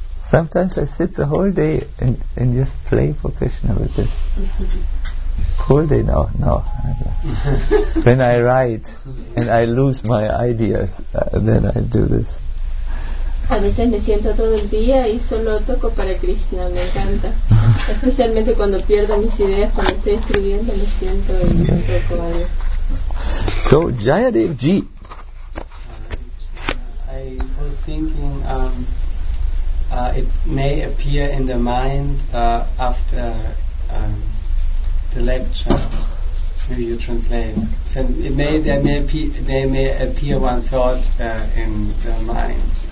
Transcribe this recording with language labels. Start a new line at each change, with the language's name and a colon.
English: Sometimes I sit the whole day and just play for Krishna with this. Whole day, no. When I write and I lose my ideas, then I do this.
Spanish: A veces me siento todo el día y solo toco para Krishna, me encanta. Especialmente cuando pierdo mis ideas, cuando estoy escribiendo, me siento y toco algo. So, Jayadev Ji.
English: I was thinking it may appear in the mind after the lecture. Maybe you translate. So there may appear one thought in the mind.